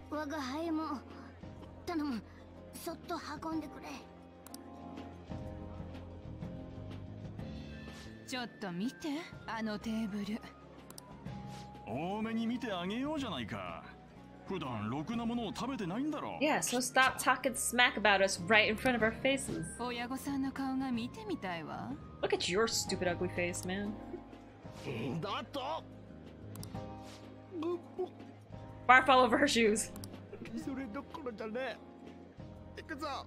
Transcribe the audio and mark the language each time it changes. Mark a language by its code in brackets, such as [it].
[ja] 我が輩も、頼む、そっと運んでくれ。ちょっと見て、あのテーブル。多めに見てあげようじゃないか。普段ろくなものを食べてないんだろ。 [en] Yeah, so stop talking smack about us right in front of our faces. [ja] 親御さんの顔が見てみたいわ。 [en] Look at your stupid ugly face, man. [ja] だと。 [en] Barf all over her shoes. [ja] それどころじゃね。行くぞ。